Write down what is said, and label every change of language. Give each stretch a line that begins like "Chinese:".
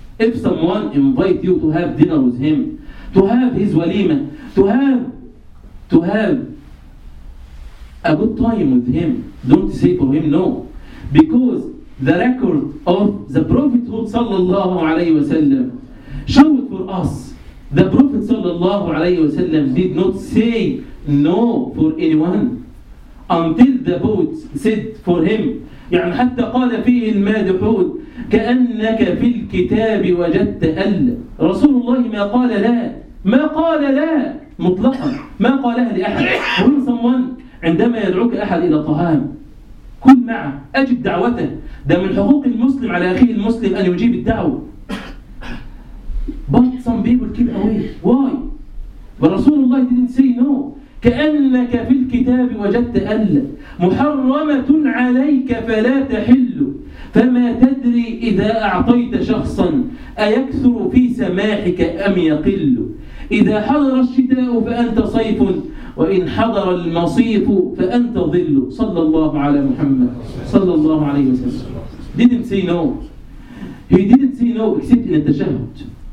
English: If someone invite you to have dinner with him, to have his walima, to have a good time with him, don't say for him no. Because the record of the Prophethood sallallahu alayhi wa sallam showed for us the Prophet sallallahu alayhi wa sallam did not say no for anyone until the boat said for him.
Arabic: يعني حتى قال فيه المادحون: كأنك في الكتاب وجدت ألا. رسول الله ما قال لا مطلقا، ما قالها لأحد.
English: When someone
Arabic: عندما يدعوك أحد إلى طعام، كن معه، أجب دعوته. ده من حقوق المسلم على أخيه المسلم أن يجيب الدعوة.
English: But some people keep away. Why?
Arabic: ورسول الله
English: didn't say no.
Arabic: كأنك في الكتاب وجدت ألا محرمة عليك فلا تحل، فما تدري إذا أعطيت شخصا أيكثر في سماحك أم يقل، إذا حضر الشتاء فأنت صيف وإن حضر المصيف فأنت ظل. صلى الله على محمد صلى الله عليه وسلم.
English: Didn't say no. He didn't say no except in the tashahhud.